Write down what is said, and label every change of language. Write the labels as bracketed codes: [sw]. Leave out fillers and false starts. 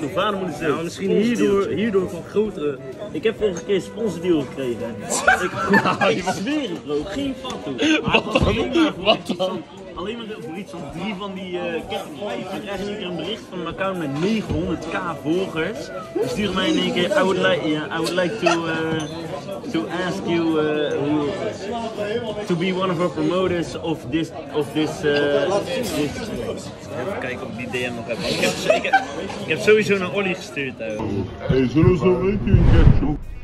[nl] Mijn vader moet het zeggen. Nou, misschien hierdoor van grotere. Ik heb vorige keer een sponsordeal gekregen. Ik zweer het, bro. Geen fatsoen. Wat dan? Alleen maar voor iets van drie van die kettingen. Ik krijg een keer een bericht van mijn account met 900k volgers. Die sturen mij in één keer, [en] I would like to ask you to be one of our promoters of this... Of this. [nl] Even kijken of ik die DM nog heb. Ik heb sowieso naar Olly gestuurd. Hey, zullen we zo weten in ketchup?